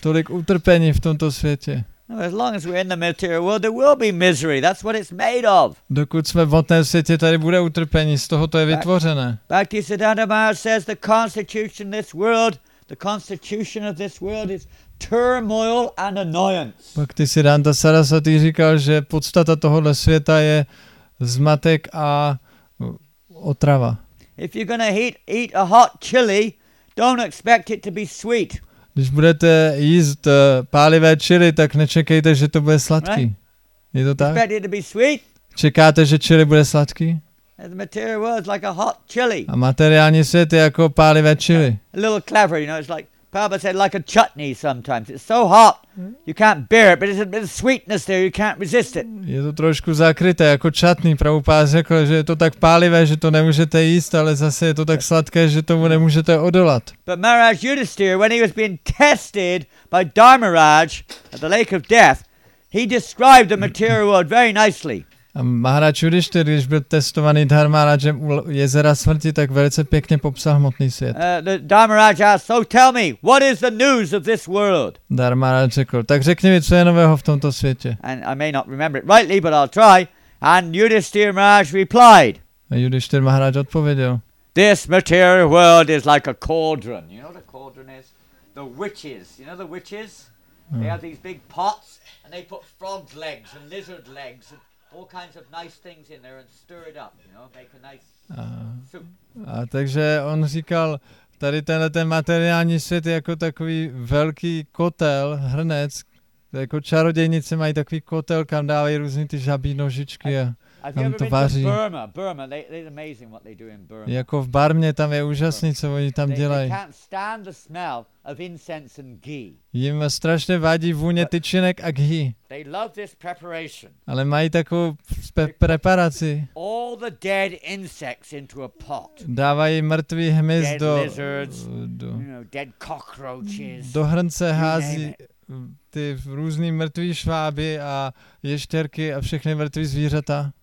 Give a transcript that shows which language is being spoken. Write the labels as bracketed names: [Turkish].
[Czech] Tolik utrpení v tomto světě. [English] As long as we're in the material world, there will be misery. That's what it's made of. [Czech] Dokud jsme v hmotném světě, tady bude utrpení, z toho to je vytvořené. [English] Bhaktisiddhanta Maharaj says the constitution of this world is turmoil and annoyance. [Czech] Bhaktisiddhanta Sarasvati říkal, že podstata tohoto světa je zmatek a otrava. [English] If you're going to eat a hot chili, don't expect it to be sweet. [Czech] Když budete jíst pálivé chili, tak nečekejte, že to bude sladký. [English] Right? [Czech] Je to tak? [English] Expect it to be sweet? [Czech] Čekáte, že chili bude sladký? [English] The material world is like a hot chili. [Czech] A materiální svět je jako pálivé chili. [English] A little clever, you know, it's like Papa said, like a chutney sometimes. It's so hot, you can't bear it, but there's a bit of sweetness there, you can't resist it. [Czech] Je to trošku zakryté, jako chutney. Prabhupáda řekl, že je to tak pálivé, že to nemůžete jíst, ale zase je to tak sladké, že tomu nemůžete odolat. [English] But Maharaj Yudhisthira, when he was being tested by Dharmaraj at the lake of death, he described the material world very nicely. [Czech] A Maharaj Yudhisthira, když byl testovaný Dharmarajem u jezera smrti, tak velice pěkně popsal hmotný svět. [English] Dharmaraj asked, so tell me, what is the news of this world? [Czech] Dharmaraj řekl, tak řekni mi, co je nového v tomto světě. [English] And I may not remember it rightly, but I'll try. And Yudhisthira Maharaj replied. [Czech] A Yudhisthira Maharaj odpověděl. [English] This material world is like a cauldron. You know what a cauldron is? The witches. You know the witches? They have these big pots and they put frog legs and lizard legs and all kinds of nice things in there and stir it up, you know, make a nice soup. [Czech] A takže on říkal, tady tenhle ten materiální svět je jako takový velký kotel, hrnec, jako čarodějnice mají takový kotel, kam dávají různý ty žabí nožičky a tam to vaří. [English] Burma, they're amazing what they do in Burma. [Czech] Jako v Barmě, tam je úžasný, co oni tam dělají. [English] They can't stand the smell of incense and ghee. [Czech] Jim strašně vadí vůně tyčinek a ghee. [English] They love this preparation. [Czech] Ale mají takovou preparaci. [English] All the dead insects into a pot. [Czech] Dávají mrtvý hmyz do hrnce, hází ty různý mrtvý šváby a ještěrky a všechny mrtvý zvířata.